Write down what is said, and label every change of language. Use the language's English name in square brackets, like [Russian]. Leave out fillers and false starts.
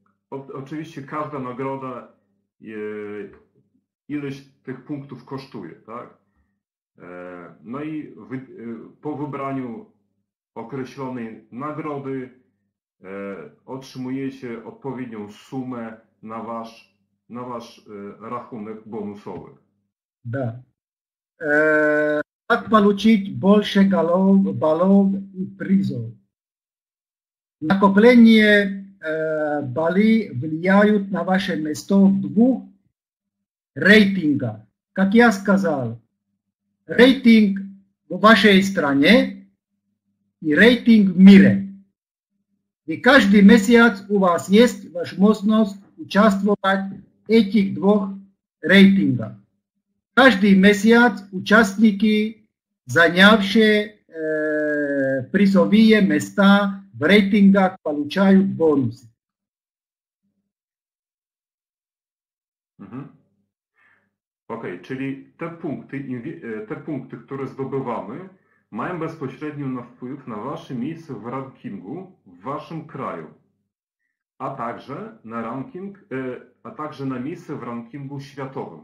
[Polish] Oczywiście każda nagroda ileś tych punktów kosztuje, tak? No i po wybraniu określonej nagrody otrzymujecie odpowiednią sumę na wasz rachunek bonusowy. [Russian] Да. Как получить больше баллов и призов? Накопление баллы влияют на ваше место в двух рейтингах. Как я сказал, рейтинг в вашей стране и рейтинг в мире. И каждый месяц у вас есть возможность участвовать в этих двух рейтингах. Каждый месяц участники, занявшие призовые места в рейтингах, получают бонусы. Угу. [Polish] Okej, okay, czyli te punkty, które zdobywamy, mają bezpośrednio na wpływ na Wasze miejsce w rankingu w Waszym kraju, a także na ranking, a także na miejsce w rankingu światowym.